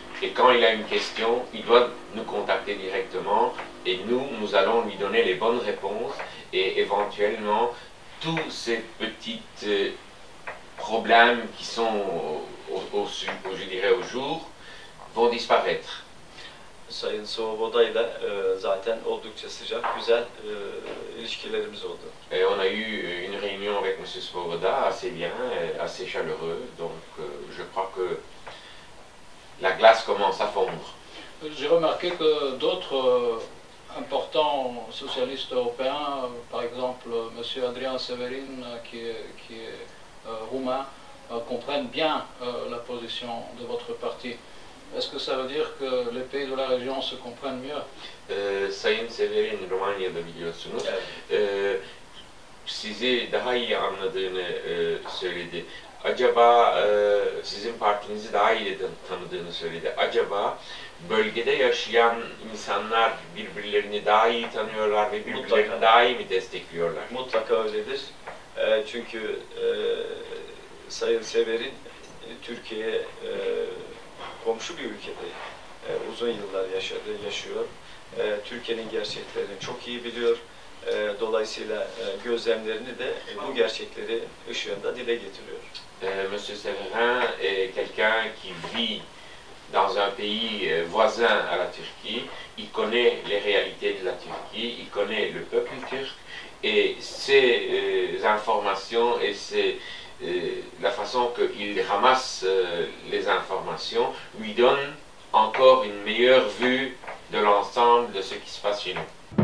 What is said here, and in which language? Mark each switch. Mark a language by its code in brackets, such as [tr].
[fr] Et quand il a une question, il doit nous contacter directement et nous allons lui donner les bonnes réponses et éventuellement tous ces petits problèmes qui sont au jour vont disparaître. [tr] Sayın Svoboda ile zaten oldukça sıcak, güzel ilişkilerimiz oldu. [fr] Et on a eu une réunion avec Monsieur Svoboda, assez bien, assez chaleureux, donc je crois que la glace commence à fondre. J'ai remarqué que d'autres importants socialistes européens, par exemple Monsieur Adrian Severin, qui est roumain, comprennent bien la position de votre parti. Est-ce que ça veut dire que les pays de la région se comprennent mieux? [tr] Sayın Severin, Romanya'da biliyorsunuz. Sizi daha iyi anladığını söyledi. Acaba sizin partinizi daha iyi tanıdığını söyledi. Acaba bölgede yaşayan insanlar birbirlerini daha iyi tanıyorlar ve birbirlerini mutlaka daha iyi mi destekliyorlar? Mutlaka öyledir. Çünkü Sayın Severin Türkiye'ye komşu bir ülkede uzun yıllar yaşıyor. Türkiye'nin gerçeklerini çok iyi biliyor. Dolayısıyla gözlemlerini de bu gerçekleri ışığında dile getiriyor. [fr] Monsieur Severin est quelqu'un qui vit dans un pays voisin à la Turquie. Il connaît les réalités de la Turquie, il connaît le peuple turc et ses informations et la façon qu'il ramasse les informations lui donne encore une meilleure vue de l'ensemble de ce qui se passe chez nous.